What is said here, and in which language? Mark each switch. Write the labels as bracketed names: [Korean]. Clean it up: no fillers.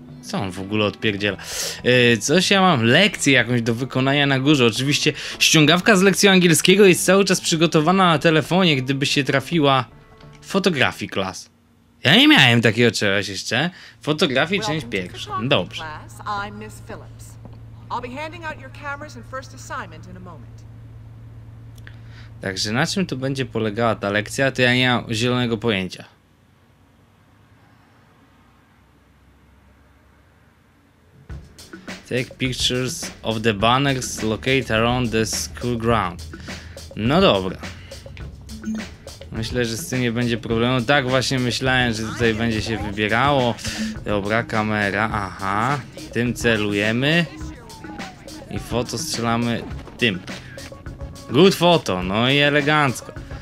[Polish] Co on w ogóle odpierdziela? Coś ja mam, lekcję jakąś do wykonania na górze. Oczywiście ściągawka z lekcji angielskiego jest cały czas przygotowana na telefonie, gdyby się trafiła fotografii klas. Ja nie miałem takiego czegoś jeszcze. Fotografii część pierwsza. Dobrze. [English] I'm Miss Phillips. I'll be handing out your cameras and first assignment in a moment. [Polish] Także na czym tu będzie polegała ta lekcja, to ja nie mam zielonego pojęcia. [English] Take pictures of the banners located around the school ground. [Polish] No dobra. Myślę, że z tym nie będzie problemu. Tak właśnie myślałem, że tutaj będzie się wybierało. Dobra, kamera, aha. Tym celujemy. I foto strzelamy tym. [English] Good photo, [Polish] no i elegancko.